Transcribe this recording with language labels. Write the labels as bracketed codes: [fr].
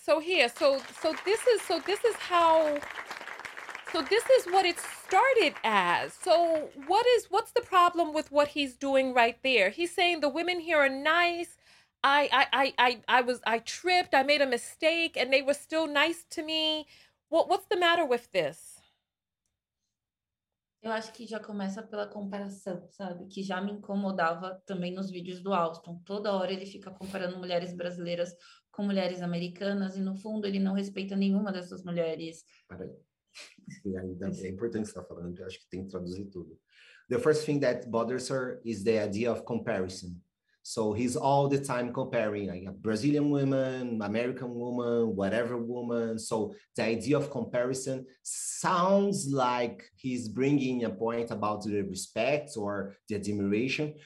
[en] So here, so this is what it started as. So what's the problem with what he's doing right there? He's saying the women here are nice. I tripped, I made a mistake, and they were still nice to me. What's the matter with this? [pt] Eu acho que já começa pela comparação, sabe? Que já me incomodava também nos vídeos do Alston. Toda hora ele fica comparando mulheres brasileiras com mulheres americanas, e no fundo ele não respeita nenhuma dessas mulheres. É importante você estar falando, eu acho que tem que traduzir tudo. [en] The first thing that bothers her is the idea of comparison. So he's all the time comparing like a Brazilian woman, American woman, whatever woman. So the idea of comparison sounds like he's bringing a point about the respect or the admiration.